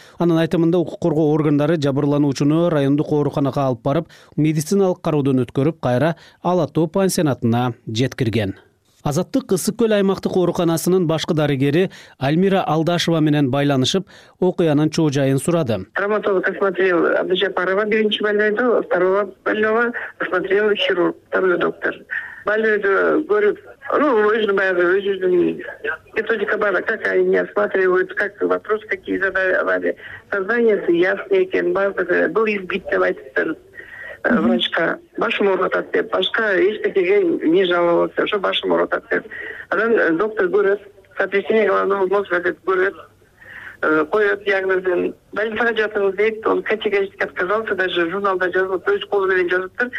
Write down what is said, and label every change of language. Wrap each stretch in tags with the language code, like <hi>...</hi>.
<ky>Анын айтымында укук коргоо органдары жабырлануучуну райондук ооруканага алып барып, медициналык кароодон өткөрүп, кайра Ала Тоо пансионатына жеткирген. Азаттык Ысык Көл аймактык ооруканасынын башкы дарыгери Альмира Алдашева менен байланышып, окуянын чоо жайын сурады.</ky> <ru>Травматолог осмотрел Абдыжапарова биринчи больнойду, второго больного осмотрел хирург, второй доктор.</ru> <ky>Больнойду көрүп, өзүнүн баягы өзүнүн методика бар,</ky> <ru>как они осматривают, как вопрос какие задавали.</ru> <ky>Сознаниесы ясный экен, базы</ky> <ru>был избит</ru> <ky>деп айтыптыр. Врачка, башым оротат деп, башка эчтекеге не жалобасы, ошо башым оротат деп. Анан доктор көрөт,</ky> <ru>сотрясение головного мозга</ru> <ky>деп көрөт, коет диагнозин. Больницага жатыңыз дейт,</ky> <ru>он категорически отказался,</ru> <ky>даже журналда жазылып, өз колу менен жазыптыр.</ky>